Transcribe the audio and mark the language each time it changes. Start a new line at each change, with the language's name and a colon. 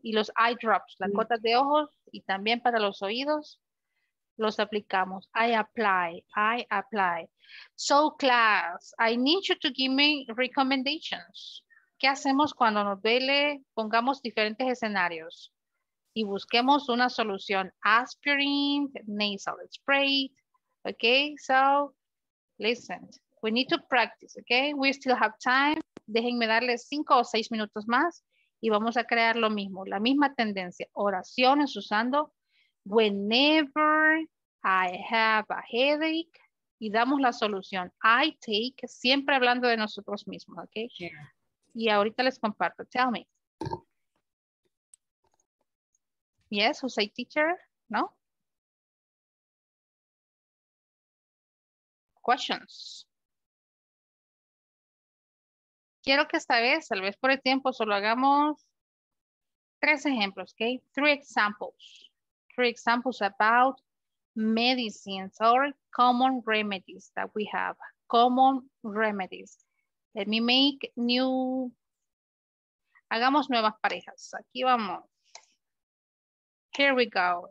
Spanish: Y los eye drops, las gotas de ojos y también para los oídos, los aplicamos.
English: I apply. So, class, I need you to give me recommendations.
Spanish: ¿Qué hacemos cuando nos duele? Pongamos diferentes escenarios y busquemos una solución.
English: Aspirin, nasal spray. Okay, so listen. We need to practice, okay? We still have time.
Spanish: Déjenme darles 5 o 6 minutos más y vamos a crear lo mismo. La misma tendencia. Oraciones usando
English: whenever I have a headache.
Spanish: Y damos la solución.
English: I take,
Spanish: siempre hablando de nosotros mismos, okay?
English: Yeah.
Spanish: Y ahorita les comparto.
English: Tell me. Yes, who say teacher? No? Questions.
Spanish: Quiero que esta vez, tal vez por el tiempo, solo hagamos 3 ejemplos, okay?
English: 3 examples. 3 examples about medicines or common remedies that we have. Common remedies. Let me make new.
Spanish: Hagamos nuevas parejas. Aquí vamos.
English: Here we go.